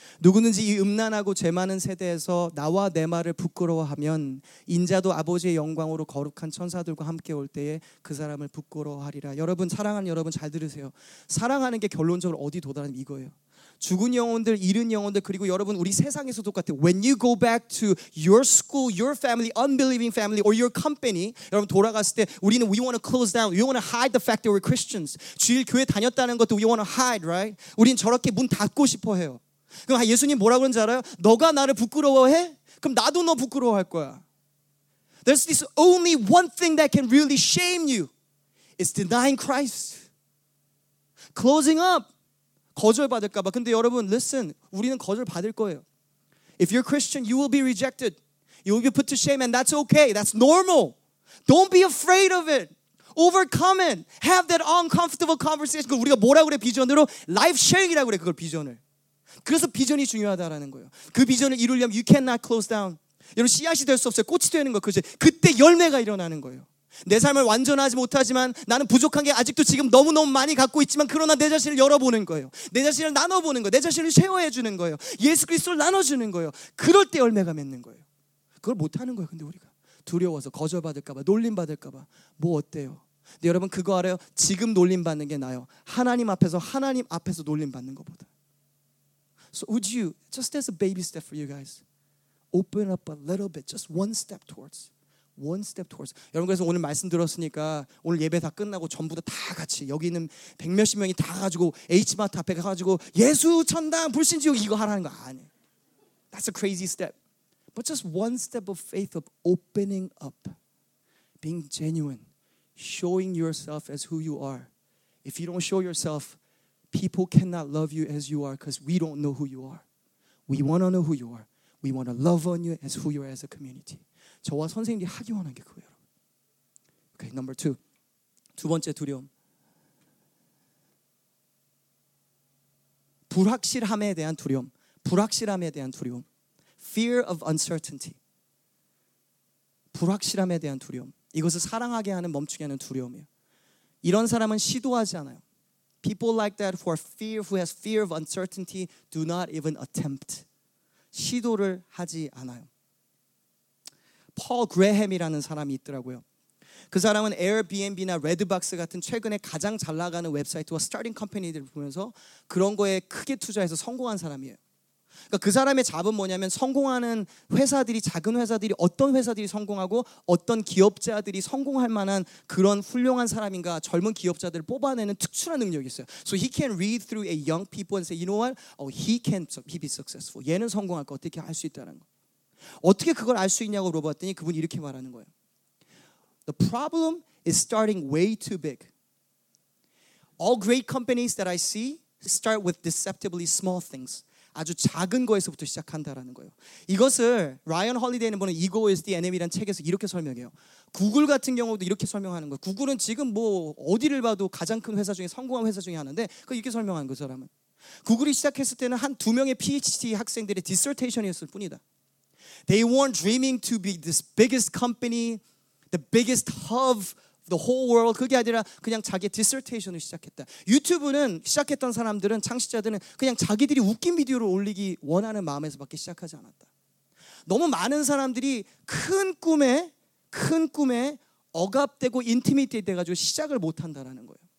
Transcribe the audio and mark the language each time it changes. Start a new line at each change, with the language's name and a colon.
Korean: 누구든지 이 음란하고 죄 많은 세대에서 나와 내 말을 부끄러워하면 인자도 아버지의 영광으로 거룩한 천사들과 함께 올 때에 그 사람을 부끄러워하리라. 여러분 사랑하는 여러분 잘 들으세요. 사랑하는 게 결론적으로 어디 도달하는 이거예요. 죽은 영혼들, 잃은 영혼들, 그리고 여러분 우리 세상에서 똑같아요.
English: When you go back to your school, your family, unbelieving family, or your company,
Korean: 여러분 돌아갔을 때 우리는
English: we want to close down, we want to hide the fact that we're Christians.
Korean: 주일 교회 다녔다는 것도
English: we want to hide, right?
Korean: 우리는 저렇게 문 닫고 싶어해요. 그럼 예수님 뭐라고 그런지 알아요? 너가 나를 부끄러워해? 그럼 나도 너 부끄러워할 거야.
English: There's this only one thing that can really shame you. It's denying Christ. Closing up.
Korean: 거절받을까 봐. 근데 여러분,
English: listen.
Korean: 우리는 거절받을 거예요.
English: If you're Christian, you will be rejected. You will be put to shame and that's okay. That's normal. Don't be afraid of it. Overcome it. Have that uncomfortable conversation.
Korean: 그걸 우리가 뭐라고 그래? 비전으로? 라이프 쉐어링이라고 그래, 그걸 비전을. 그래서 비전이 중요하다라는 거예요. 그 비전을 이루려면
English: you cannot close down.
Korean: 여러분 씨앗이 될 수 없어요. 꽃이 되는 거. 그치? 그때 열매가 일어나는 거예요. 내 삶을 완전하지 못하지만 나는 부족한 게 아직도 지금 너무너무 많이 갖고 있지만 그러나 내 자신을 열어보는 거예요. 내 자신을 나눠보는 거예요. 내 자신을 쉐어해주는 거예요. 예수 그리스도를 나눠주는 거예요. 그럴 때 열매가 맺는 거예요. 그걸 못하는 거예요. 근데 우리가 두려워서 거절받을까 봐 놀림받을까 봐 뭐 어때요? 근데 여러분 그거 알아요? 지금 놀림받는 게 나아요. 하나님 앞에서 놀림받는 것보다.
English: So would you, just as a baby step for you guys, open up a little bit, just one step towards. One step towards.
Korean: 여러분 그래서 오늘 말씀 들었으니까 오늘 예배 다 끝나고 전부 다 같이 여기 있는 백 몇십 명이 다 가지고 H마트 앞에 가가지고 예수 천당 불신지옥 이거 하라는 거 아니에요.
English: That's a crazy step. But just one step of faith of opening up, being genuine, showing yourself as who you are. If you don't show yourself, people cannot love you as you are because we don't know who you are. We want to know who you are. We want to love on you as who you are as a community.
Korean: 저와 선생님들이 하기 원한 게 그거예요.
English: Okay, number two.
Korean: 두 번째 두려움. 불확실함에 대한 두려움. 불확실함에 대한 두려움.
English: Fear of uncertainty.
Korean: 불확실함에 대한 두려움. 이것을 사랑하게 하는 멈추게 하는 두려움이에요. 이런 사람은 시도하지 않아요.
English: People like that who has fear of uncertainty do not even attempt.
Korean: 시도를 하지 않아요. Paul Graham이라는 사람이 있더라고요. 그 사람은 Airbnb나 Redbox 같은 최근에 가장 잘 나가는 웹사이트와 스타팅 컴퍼니들을 보면서 그런 거에 크게 투자해서 성공한 사람이에요. 그러니까 그 사람의 잡은 뭐냐면 성공하는 회사들이, 작은 회사들이 어떤 회사들이 성공하고 어떤 기업자들이 성공할 만한 그런 훌륭한 사람인가 젊은 기업자들을 뽑아내는 특출한 능력이 있어요.
English: So he can read through a young people and say, you know what? Oh, he be successful.
Korean: 얘는 성공할 거 어떻게 할 수 있다는 거. 어떻게 그걸 알 수 있냐고 물어봤더니 그분이 이렇게 말하는 거예요.
English: The problem is starting way too big. All great companies that I see start with deceptively small things.
Korean: 아주 작은 거에서부터 시작한다라는 거예요. 이것을 라이언 홀리데이는 보는 Ego is the Enemy라는 책에서 이렇게 설명해요. 구글 같은 경우도 이렇게 설명하는 거예요. 구글은 지금 뭐 어디를 봐도 가장 큰 회사 중에 성공한 회사 중에 하나인데 그걸 이렇게 설명하는 거예요, 사람은. 구글이 시작했을 때는 한 두 명의 PhD 학생들의 디서테이션이었을 뿐이다.
English: They weren't dreaming to be this biggest company, the biggest hub of the whole world.
Korean: 그게 아니라 그냥 자기의 디서테이션을 시작했다. 유튜브는 시작했던 사람들은, 창시자들은 그냥 자기들이 웃긴 비디오를 올리기 원하는 마음에서밖에 시작하지 않았다. 너무 많은 사람들이 큰 꿈에 억압되고 인티미티드 돼가지고 시작을 못한다라는 거예요.